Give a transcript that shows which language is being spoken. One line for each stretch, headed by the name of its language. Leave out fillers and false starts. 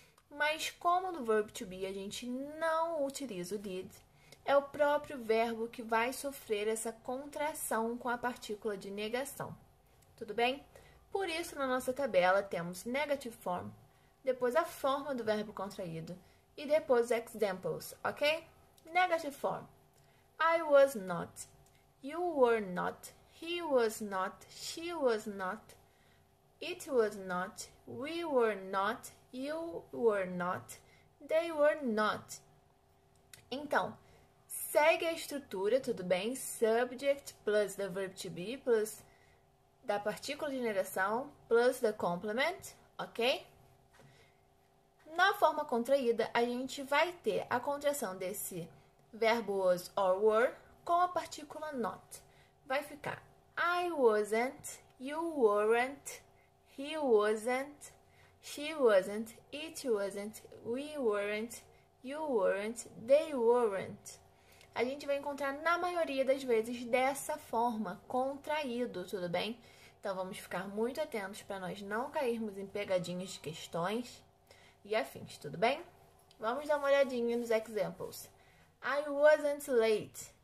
Portuguese: Mas como no verbo to be a gente não utiliza o did, é o próprio verbo que vai sofrer essa contração com a partícula de negação. Tudo bem? Por isso, na nossa tabela, temos negative form, depois a forma do verbo contraído e depois examples, ok?
English: Negative form. I was not. You were not. He was not. She was not. It was not, we were not, you were not, they were not.
Portuguese: Então, segue a estrutura, tudo bem?
English: Subject plus the verb to be plus
Portuguese: da partícula de negação
English: plus the complement,
Portuguese: ok? Na forma contraída, a gente vai ter a contração desse verbo was or were com a partícula not. Vai ficar
English: I wasn't, you weren't, he wasn't, she wasn't, it wasn't, we weren't, you weren't, they weren't.
Portuguese: A gente vai encontrar na maioria das vezes dessa forma, contraído, tudo bem? Então vamos ficar muito atentos para nós não cairmos em pegadinhas de questões e afins, tudo bem? Vamos dar uma olhadinha nos examples.
English: I wasn't late.